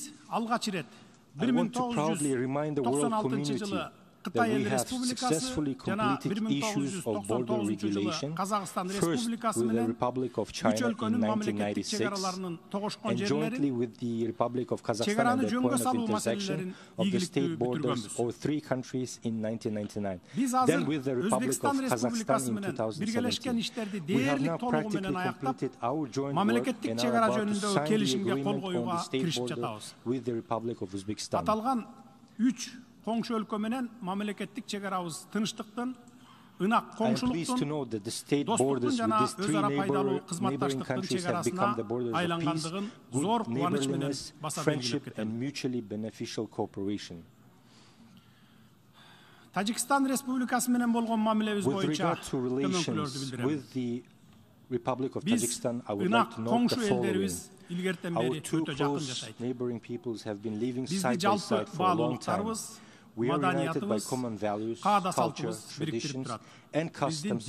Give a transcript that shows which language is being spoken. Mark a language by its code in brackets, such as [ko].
[en] I want to proudly remind the world community that we have successfully completed issues of border regulation, first with the Republic of China in 1996, and jointly with the Republic of Kazakhstan at the point of intersection of the state borders of three countries in 1999. Then with the Republic of Kazakhstan in 2017. We have now practically completed our joint work and are about to sign the agreement on the state border with the Republic of Uzbekistan. [ky] Коңшу өлкө менен мамлекеттик чегарабыз тынчтыктын, ынак коңшулуктун, достуктун жана өз ара пайдалуу кызматташтыктын чегарасына айлангандыгын зор кубаныч менен баса белгилеп кетем. [en] And mutually beneficial cooperation. [ky] Тажикстан Республикасы менен болгон мамилебиз боюнча [en] relations with the Republic of Tajikistan, I would like to note the following. Our two close neighboring peoples have been living side by side for a long time. We are united by common values, culture, traditions, and customs.